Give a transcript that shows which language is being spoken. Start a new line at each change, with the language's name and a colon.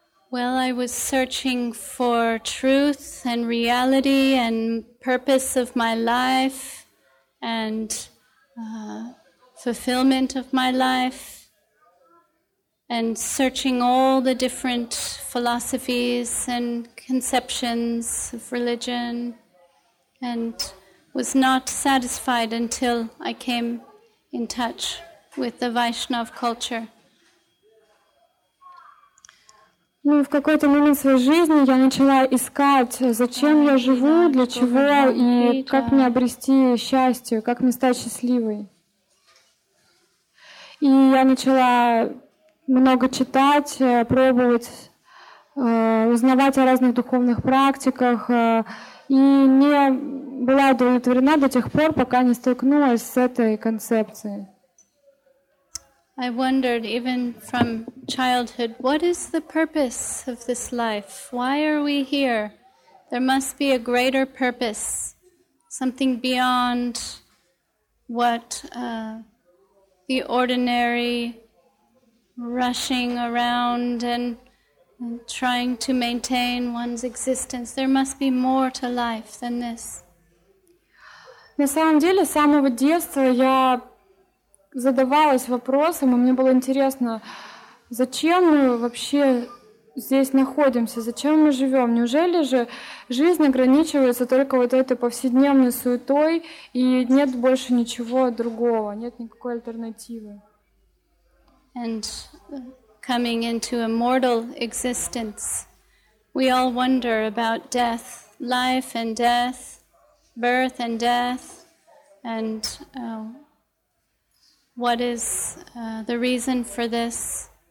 English: Well, I was searching for truth and reality and purpose of my life and fulfillment of my life and searching all the different philosophies and conceptions of religion and was not satisfied until I came in touch with the Vaishnav culture.
Russian: Ну, в какой-то момент своей жизни я начала искать, зачем я живу, для чего и как мне обрести счастье, как мне стать счастливой. И я начала много читать, пробовать, узнавать о разных духовных практиках, и не была удовлетворена до тех пор, пока не столкнулась с этой концепцией.
English: I wondered, even from childhood, what is the purpose of this life? Why are we here? There must be a greater purpose, something beyond what the ordinary rushing around and trying to maintain one's existence. There must be more to life than this.
Russian: На самом деле, с самого детства я задавалась вопросом, и мне было интересно, зачем мы вообще здесь находимся, зачем мы живем? Неужели же жизнь ограничивается только вот этой повседневной суетой, и нет больше ничего другого, нет никакой альтернативы?
English: And coming into a mortal existence, we all wonder about death, life and death, birth and death, and what is the reason for this?